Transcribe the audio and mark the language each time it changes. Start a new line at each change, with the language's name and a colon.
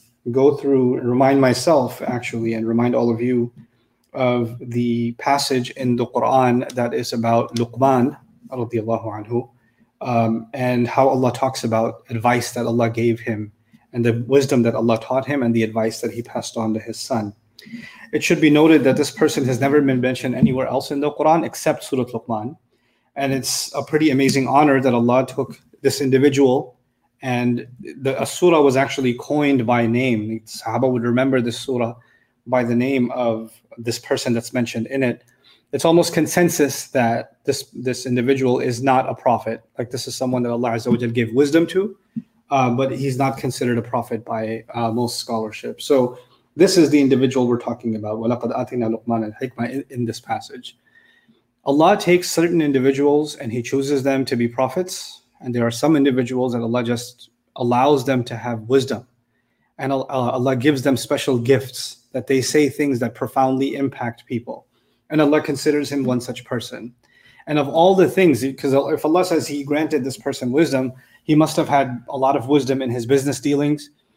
English: go through, remind myself actually, and remind all of you of the passage in the Quran that is about Luqman radiallahu anhu, and how Allah talks about advice that Allah gave him and the wisdom that Allah taught him and the advice that he passed on to his son. It should be noted that this person has never been mentioned anywhere else in the Quran except Surah Luqman. And it's a pretty amazing honor that Allah took this individual. And the surah was actually coined by name. Sahaba would remember this surah by the name of this person that's mentioned in it. It's almost consensus that this individual is not a prophet. Like this is someone that Allah Azza wa Jalla gave wisdom to, but he's not considered a prophet by most scholarship. So this is the individual we're talking about.
Arabic: وَلَقَدْ أَتِنَا لُقْمَانَ الْحِكْمَةِ
English: in this passage. Allah takes certain individuals and he chooses them to be prophets. And there are some individuals that Allah just allows them to have wisdom. And Allah gives them special gifts that they say things that profoundly impact people. And Allah considers him one such person. And of all the things, because if Allah says he granted this person wisdom, he must have had a lot of wisdom in his business dealings.